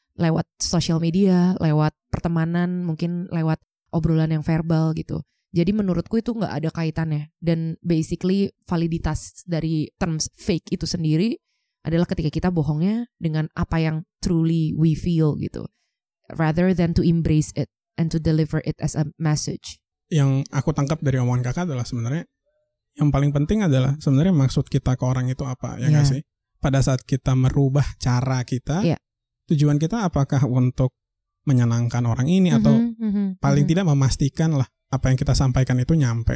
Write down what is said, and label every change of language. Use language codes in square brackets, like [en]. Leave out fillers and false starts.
[id] Lewat social media, lewat pertemanan, mungkin lewat obrolan yang verbal gitu. Jadi menurutku itu gak ada kaitannya. Dan basically validitas dari terms fake itu sendiri adalah ketika kita bohongnya dengan apa yang [en] truly we feel [id] gitu. [en] Rather than to embrace it and to deliver it as a message. [id] Yang aku tangkap dari omongan Kakak adalah sebenarnya yang paling penting adalah sebenarnya maksud kita ke orang itu apa, ya nggak sih? Pada saat kita merubah cara kita, tujuan kita apakah untuk menyenangkan orang ini atau paling tidak memastikan lah apa yang kita sampaikan itu nyampe.